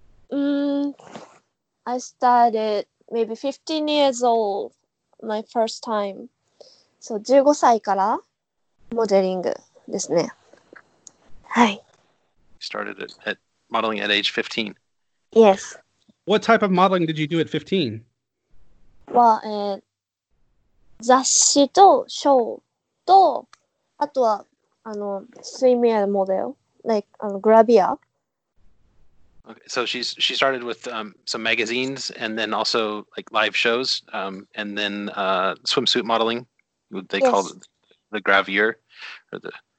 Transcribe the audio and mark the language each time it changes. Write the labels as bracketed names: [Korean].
[English] I started maybe 15 years old, my first time. [Japanese] So 15 歳から modeling. ですね。はい。 [English] Started at modeling at age 15. Yes. What type of modeling did you do at 15? [Japanese] は、雑誌とショーと、あとは、スイミアモデル、like, グラビア。 [English] Okay, so she started with some magazines and then also like live shows, and then swimsuit modeling, they call it the gravure, or the...